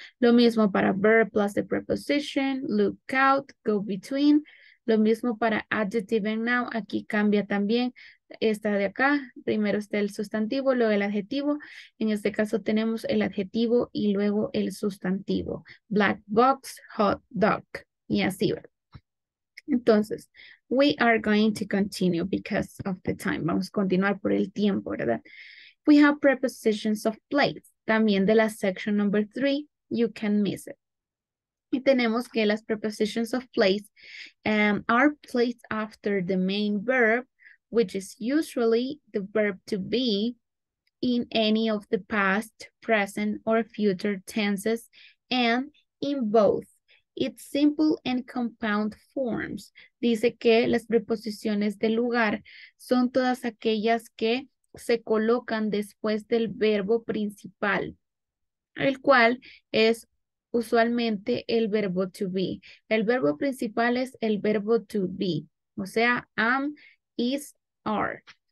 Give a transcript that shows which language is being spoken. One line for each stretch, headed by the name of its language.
Spanish: Lo mismo para
English: verb plus the preposition, look out, go between.
Spanish: Lo mismo para adjective and noun, aquí cambia también. Esta de acá, primero está el sustantivo, luego el adjetivo. En este caso tenemos el adjetivo y luego el sustantivo. Black box, hot dog, y así, ¿verdad?
English: Entonces, we are going to continue because of the time.
Spanish: Vamos a continuar por el tiempo, ¿verdad?
English: We have prepositions of place.
Spanish: También de la
English: section number 3, you can miss it.
Spanish: Y tenemos que
English: las prepositions of place are placed after the main verb, which is usually the verb to be in any of the past, present, or future tenses, and in both. It's simple and compound forms.
Spanish: Dice que las preposiciones de lugar son todas aquellas que se colocan después del verbo principal, el cual es usualmente el verbo to be. El verbo principal es el verbo to be, o sea, am, is, are.